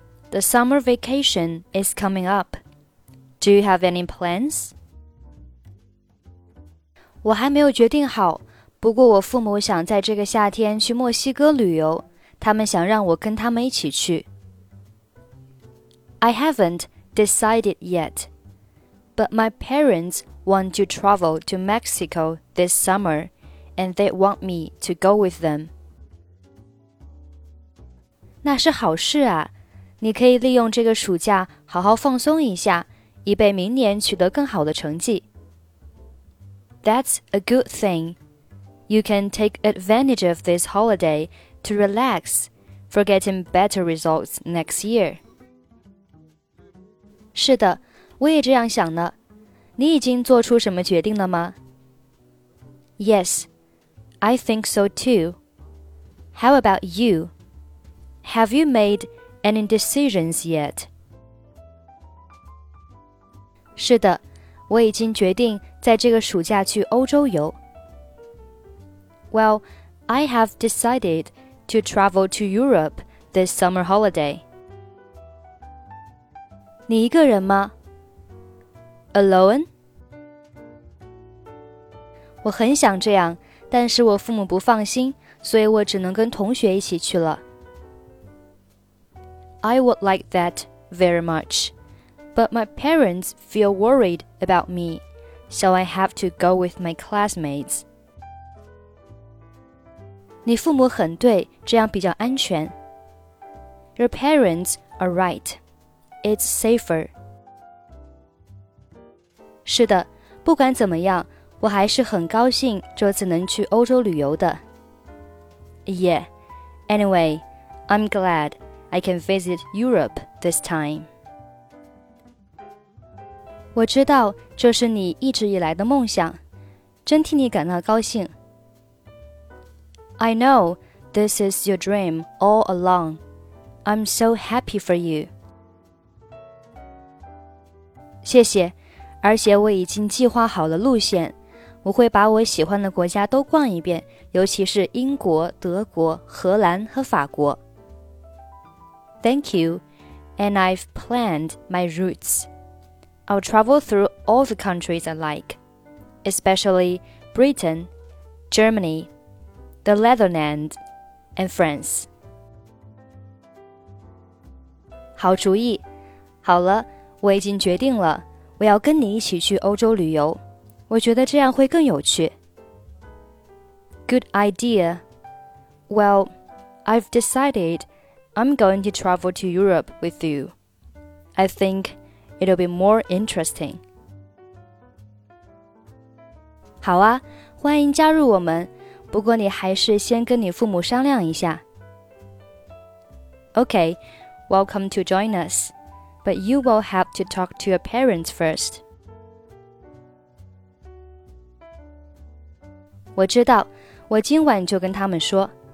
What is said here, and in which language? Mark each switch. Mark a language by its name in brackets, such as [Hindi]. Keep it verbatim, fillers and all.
[English] The summer vacation is coming up. Do you have any plans? [Chinese] 我还没有决定好，不过我父母想在这个夏天去墨西哥旅游，他们想让我跟他们一起去。 [English] I haven't decided yet, but my parents want to travel to Mexico this summer, and they want me to go with them. [Chinese] 那是好事啊，你可以利用这个暑假好好放松一下，以备明年取得更好的成绩。 [English] That's a good thing. You can take advantage of this holiday to relax for getting better results next year. [Chinese] 是的，我也这样想呢。你已经做出什么决定了吗 [English] Yes, I think so too. How about you? Have you made any decisions yet? [Chinese] 是的，我已经决定在这个暑假去欧洲游。 [English] Well, I have decided to travel to Europe this summer holiday. [Chinese] 你一个人吗？ [English] Alone? [Chinese] 我很想这样，但是我父母不放心，所以我只能跟同学一起去了。 [English] I would like that very much, but my parents feel worried about me, so I have to go with my classmates. [Chinese] 你父母很对，这样比较安全。 [English] Your parents are right. It's safer. [Chinese] 是的，不管怎么样，我还是很高兴这次能去欧洲旅游的。 [English] Yeah, anyway, I'm glad I can visit Europe this time. [Chinese] 我知道这是你一直以来的梦想，真替你感到高兴。 [English] I know this is your dream all along. I'm so happy for you. [Chinese] 谢谢。而且我已经计划好了路线，我会把我喜欢的国家都逛一遍，尤其是英国、德国、荷兰和法国。 [English] Thank you, and I've planned my routes. I'll travel through all the countries I like, especially Britain, Germany, the Netherlands, and France. [Chinese] 好主意。好了，我已经决定了。我要跟你一起去欧洲旅游，我觉得这样会更有趣。 [English] Good idea. Well, I've decided I'm going to travel to Europe with you. I think it'll be more interesting. [Chinese] 好啊，欢迎加入我们。不过你还是先跟你父母商量一下。 [English] Okay, welcome to join us, but you will have to talk to your parents first. [Chinese] 我知道，我今晚就跟他们说。